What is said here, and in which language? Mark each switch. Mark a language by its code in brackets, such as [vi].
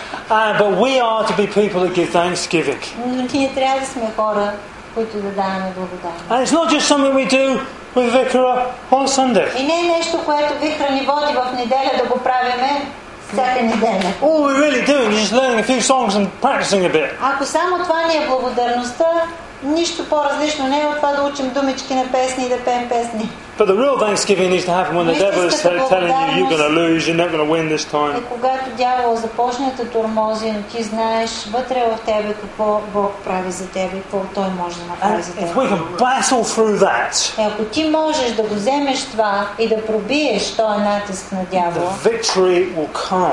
[en] But we are to be people that give thanksgiving. [bg] Ние трябва да сме хора, които да даваме благодарност. [en] And it's not just something we do with Vikra on Sunday. [bg] И не е нещо, което Vikra ни води в неделя да го правиме всяка неделя. [en] All we're really doing is just learning a few songs and practicing a bit. [bg] Ако само това ни е благодарността, нищо по-различно не е от това да учим думички на песни и да пеем песни. [en] But the real thanksgiving needs to happen when the devil is telling you you're going to lose, you're not going to win this time. [bg] Когато дявол започне да тормози, но ти знаеш вътре в тебе какво Бог прави за тебе, какво той може да направи за теб. [en] If we can battle through that. [bg] Ако ти можеш да го вземеш това и да пробиеш този натиск на дявола. [en] The victory will come.